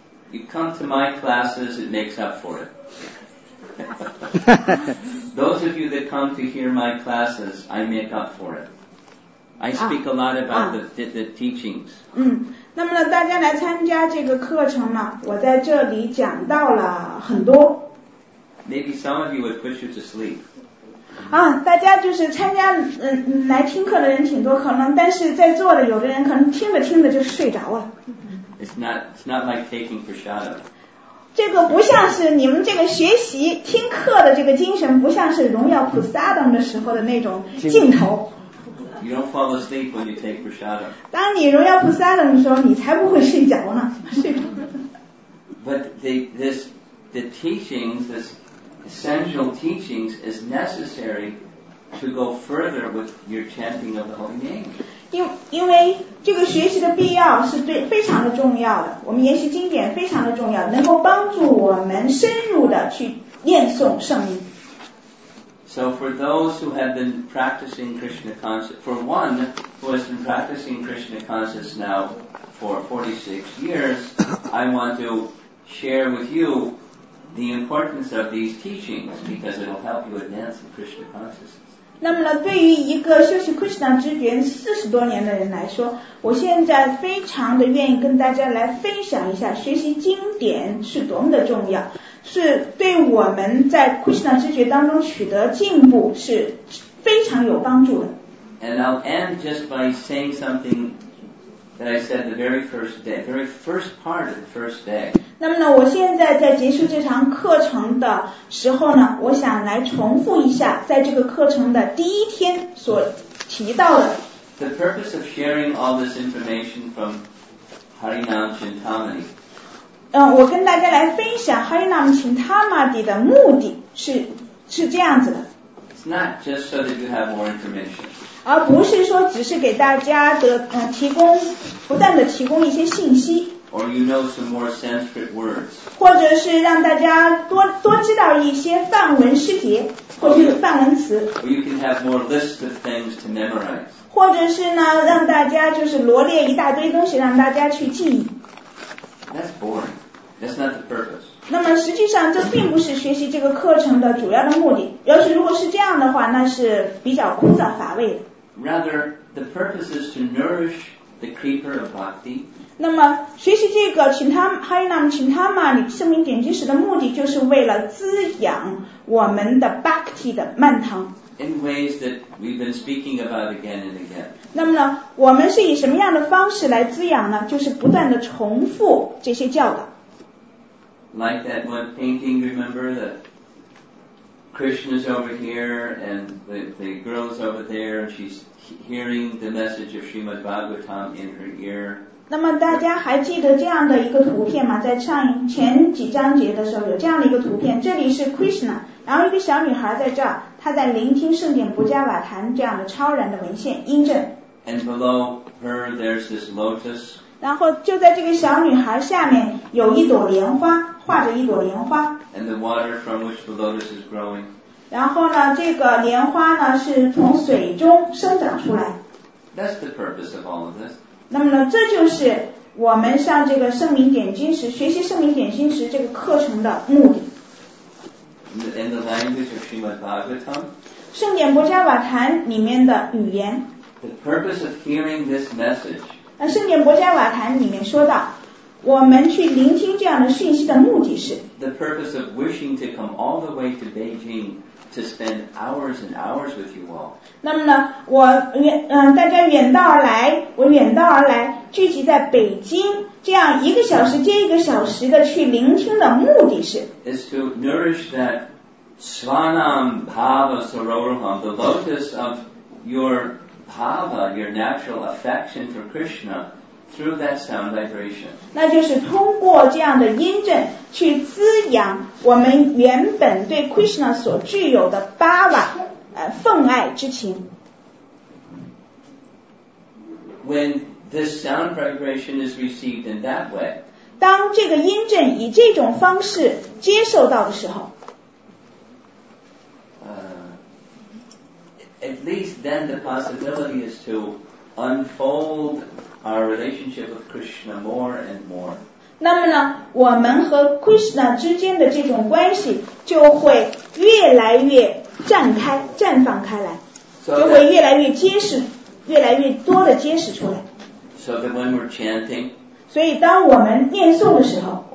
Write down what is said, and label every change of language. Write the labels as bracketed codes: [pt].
[en] You come to my classes, it makes up for it. Those of you that come to hear my classes, I make up for it. I speak a lot about the teachings. [zh] 那么呢，大家来参加这个课程呢，我在这里讲到了很多。 [en] Maybe some of you would put you to sleep. [zh] 大家就是参加来听课的人挺多，可能但是在座的有的人可能听着听着就睡着了。 [en] It's not like taking prashada. [zh] 这个不像是你们这个学习听课的这个精神，不像是荣耀普萨当的时候的那种镜头。 [en] You don't fall asleep when you take prashada. [zh] 当你荣耀普萨当的时候，你才不会睡着呢。 [en] But this the teachings, the essential teachings, is necessary to go further with your chanting of the holy name. [zh] 因为这个学习的必要是对非常的重要的，我们研习经典非常的重要，能够帮助我们深入的去念诵圣名。 [en] So for those who have been practicing Krishna consciousness, for one who has been practicing Krishna consciousness now for 46 years, I want to share with you the importance of these teachings because it will help you advance in Krishna consciousness. [zh] 那么呢，对于一个修习 Krishna 之缘40多年的人来说，我现在非常的愿意跟大家来分享一下学习经典是多么的重要。是对我们在 Krishna 知觉当中取得进步是非常有帮助的。 [en] And I'll end just by saying something that I said the very first day, very first part of the first day. [zh] 那么呢，我现在在结束这堂课程的时候呢，我想来重复一下在这个课程的第一天所提到的。 [en] The purpose of sharing all this information from Harinam Chintamani. [zh] 我跟大家来分享 Harinam Chintamani 的目的是这样子的。 [en] It's not just so that you have more information. [zh] 而不是说只是给大家的提供不断的提供一些信息。 [en] Or you know some more Sanskrit words. [zh] 或者是让大家多知道一些梵文诗节或者梵文词。 [en] Or you can have more lists of things to memorize. [zh] 或者是呢让大家就是罗列一大堆东西让大家去记忆。 [en] That's boring. That's not the purpose. [zh] 那么实际上这并不是学习这个课程的主要的目的。要是如果是这样的话，那是比较枯燥乏味的。 [en] Rather, the purpose is to nourish the creeper of bhakti. [zh] 那么学习这个Harinam Chintamani圣名典籍史的目的，就是为了滋养我们的 bhakti 的蔓藤。 [en] In ways that we've been speaking about again and again. [zh] 那么呢，我们是以什么样的方式来滋养呢？就是不断的重复这些教导。 [en] Like that one painting, remember that Krishna's over here and the girl's over there, and she's hearing the message of Srimad Bhagavatam in her ear. [zh] 那么大家还记得这样的一个图片吗？在上前几章节的时候有这样的一个图片，这里是 Krishna， 然后一个小女孩在这儿。他在聆听圣典不加瓦坛这样的超然的文献音证。 [en] And below her, there's this lotus. [zh] 然后就在这个小女孩下面有一朵莲花，画着一朵莲花。 [en] And the water from which the lotus is growing. [zh] 然后呢，这个莲花呢是从水中生长出来。 [en] That's the purpose of all of this. [zh] 那么呢，这就是我们上这个圣名点经时学习圣名点经时这个课程的目的。 [en] In the language of Srimad Bhagavatam, [zh] 圣典波加瓦坛里面的语言 [en] the purpose of hearing this message, [zh] 圣典波加瓦坛里面说到我们去聆听这样的讯息的目的是 [en] the purpose of wishing to come all the way to Beijing to spend hours and hours with you all. [zh] 那么呢我大家远道而来我远道而来聚集在北京这样一个小时接一个小时的去聆听的目的是 [en] is to nourish that [sa] svanam bhava saroham, [en] the lotus of your bhava, your natural affection for Krishna through that sound vibration. [zh] 那就是通过这样的音振去滋养我们原本对 Krishna 所具有的 bhava, 奉爱之情。 [en] When this sound vibration is received in that way, [zh] 当这个音振以这种方式接受到的时候, [en] at least then the possibility is to unfold our relationship with Krishna more and more. [zh] 那么呢，我们和 Krishna 之间的这种关系就会越来越绽开，绽放开来，就会越来越结实，越来越多的结实出来。 [en] So that when we're chanting, [zh] 所以当我们念诵的时候